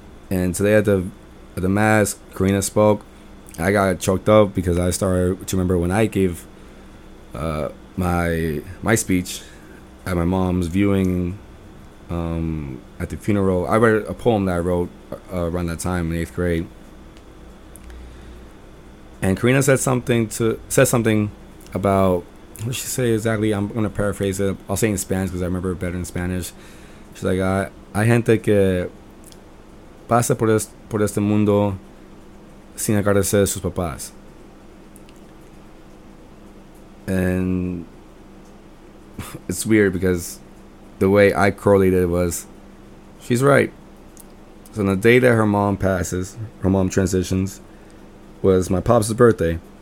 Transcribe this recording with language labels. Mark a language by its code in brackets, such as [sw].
[en] And today at the mass, Karina spoke. I got choked up because I started to remember when I gave my speech at my mom's viewing at the funeral. I read a poem that I wrote around that time in 8th grade. And Karina said something about, what did she say exactly? I'm going to paraphrase it. I'll say in Spanish because I remember it better in Spanish. She's like, [es] hay gente que pasa por este mundo sin agradecer a sus papás. [en] And it's weird because the way I correlated it was, she's right. So on the day that her mom passes, her mom transitions, was my pops' birthday.